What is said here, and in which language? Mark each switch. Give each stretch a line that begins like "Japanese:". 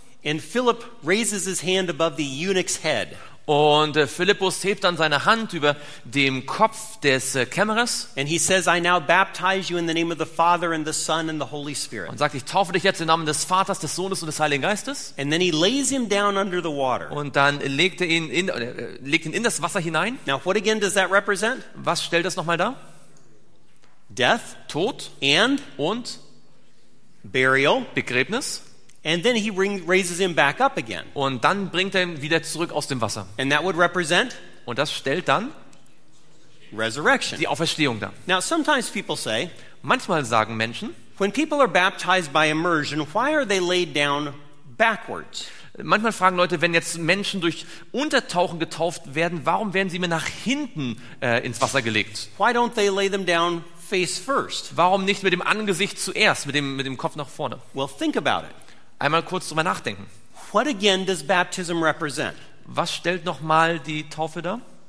English: And Philip raises his hand above the eunuch's head.
German: Und Philippus hebt dann seine Hand über dem Kopf des Kämmerers.
English: And he says, I now baptize you in the name of the Father and the Son and the Holy Spirit.
German: Und sagt, ich taufe dich jetzt im Namen des Vaters, des Sohnes und des Heiligen Geistes.
English: And then he lays him down under the water.
German: Und dann legt ihn in das Wasser hinein.
English: Now what again does that represent?
German: Was stellt das nochmal dar?
English: Death.
German: Tod.
English: And.
German: Und.
English: Burial.
German: Begräbnis.
English: And then he raises him back up again.
German: Und dann bringt er ihn wieder zurück aus dem Wasser.
English: And that would represent.
German: Und das stellt dann
English: resurrection.
German: Die Auferstehung dar.
English: Now sometimes people say.
German: Manchmal sagen Menschen.
English: When people are baptized by immersion, why are they laid down backwards?
German: Manchmal fragen Leute, wenn jetzt Menschen durch Untertauchen getauft werden, warum werden sie mir nach hinten ins Wasser gelegt?
English: Why don't they lay them down face first?
German: Warum nicht mit dem Angesicht zuerst, mit dem Kopf nach vorne?
English: Well, think about it.
German: Einmal kurz drüber nachdenken.
English: What again does baptism represent?
German: Was stellt nochmal die Taufe dar?